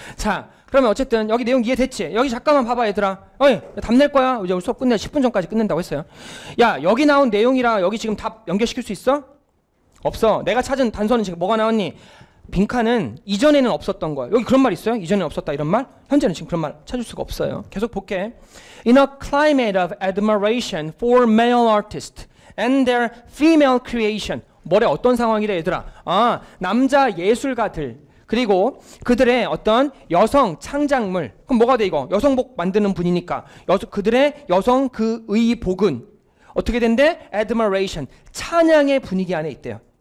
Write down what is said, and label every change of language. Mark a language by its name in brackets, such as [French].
[Korean] 자, 그러면 어쨌든 여기 내용 이해됐지? 여기 잠깐만 봐봐 얘들아. 어이, 답 낼 거야. 이제 수업 끝내. 10분 전까지 끝낸다고 했어요. 야, 여기 나온 내용이랑 여기 지금 답 연결시킬 수 있어? 없어. 내가 찾은 단서는 지금 뭐가 나왔니? 빈칸은 이전에는 없었던 거야. 여기 그런 말 있어요? 이전에는 없었다 이런 말? 현재는 지금 그런 말 찾을 수가 없어요. 계속 볼게. [English] In a climate of admiration for male artists and their female creation. [Korean] 뭐래 어떤 상황이래 얘들아. 아, 남자 예술가들 그리고 그들의 어떤 여성 창작물. 그럼 뭐가 돼 이거? 여성복 만드는 분이니까 그들의 여성 그 의복은 어떻게 된대? Admiration, 찬양의 분위기 안에 있대요.